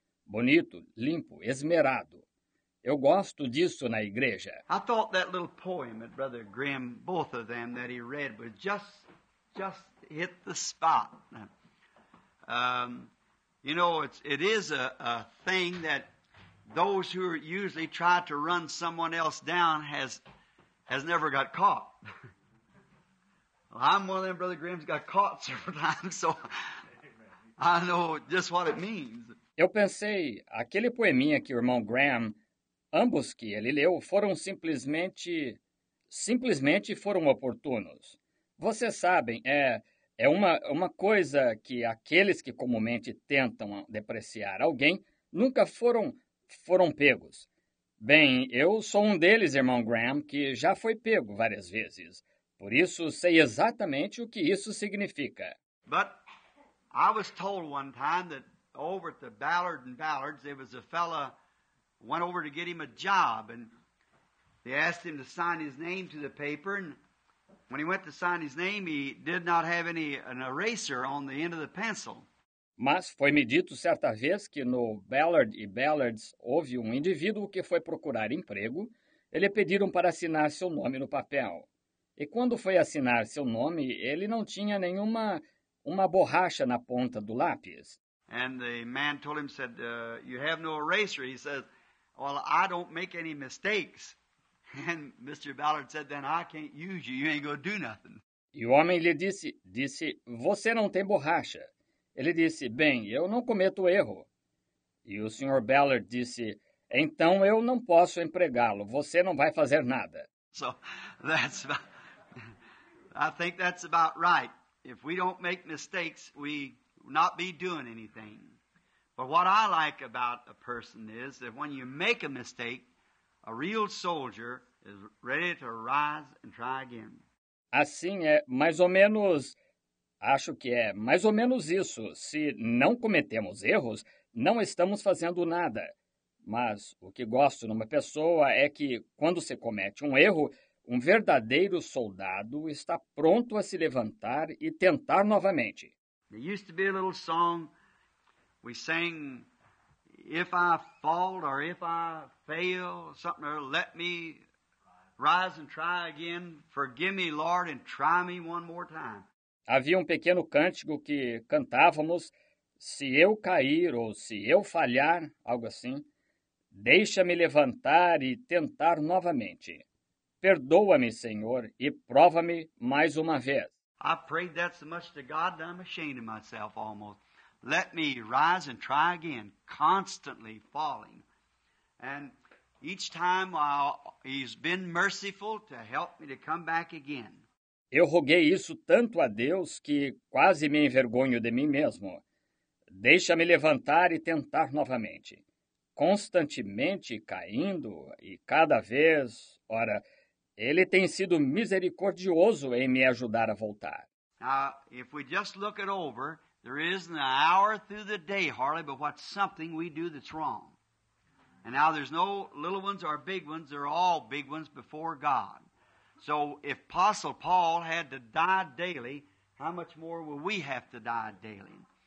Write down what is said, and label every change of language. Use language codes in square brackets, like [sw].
[pt] Bonito, limpo, esmerado. Eu gosto disso na igreja. [en] I thought that little poem that Brother Graham, both of them, that he read was just hit the spot. You know, it is a thing that those who usually try to run someone else down has never got caught. Well, I'm one of them. Brother Graham's got caught several times, so I know just what it means. [pt] Eu pensei, aquele poeminha que o irmão Graham, ambos que ele leu, foram simplesmente foram oportunos. Vocês sabem, é uma coisa que aqueles que comumente tentam depreciar alguém nunca foram pegos. Bem, eu sou um deles, irmão Graham, que já foi pego várias vezes. Por isso, sei exatamente o que isso significa. [en] But I was told one time that over at the Ballard and Ballard's, there was a fella went over to get him a job, and they asked him to sign his name to the paper, and when he went to sign his name, he did not have an eraser on the end of the pencil. [pt] Mas foi-me dito certa vez que no Ballard e Ballard's houve um indivíduo que foi procurar emprego. Ele pediram para assinar seu nome no papel. E quando foi assinar seu nome, ele não tinha nenhuma uma borracha na ponta do lápis. [en] And the man told him, said, you have no eraser. He says, well, I don't make any mistakes. And Mr. Ballard said, then I can't use you, you ain't gonna do nothing. [pt] E o homem lhe disse, você não tem borracha. Ele disse, bem, eu não cometo erro. E o Sr. Ballard disse, então eu não posso empregá-lo, você não vai fazer nada. [en] So, that's about, I think that's about right. If we don't make mistakes, we not be doing anything. But what I like about a person is that when you make a mistake, a real soldier is ready to rise and try again. [pt] Assim é mais ou menos, acho que é mais ou menos isso. Se não cometemos erros, não estamos fazendo nada. Mas o que gosto numa pessoa é que, quando se comete um erro, um verdadeiro soldado está pronto a se levantar e tentar novamente. [en] There used to be a little song we sang, if I fall or if I fail, something or let me rise and try again. Forgive me, Lord, and try me one more time. [pt] Havia um pequeno cântico que cantávamos, se eu cair ou se eu falhar, algo assim, deixa-me levantar e tentar novamente. Perdoa-me, Senhor, e prova-me mais uma vez. [en] I prayed that so much to God that I'm ashamed of myself almost. Let me rise and try again, constantly falling. And each time he's been merciful to help me to come back again. [pt] Eu roguei isso tanto a Deus que quase me envergonho de mim mesmo. Deixa-me levantar e tentar novamente. Constantemente caindo e cada vez, ora, Ele tem sido misericordioso em me ajudar a voltar. [en] Now, if we just look it over, there isn't an hour through the day, hardly, but what's something we do that's wrong. And now there's no little ones or big ones, they're all big ones before God. So if Apostle Paul had to die daily, how much more will we have to die daily?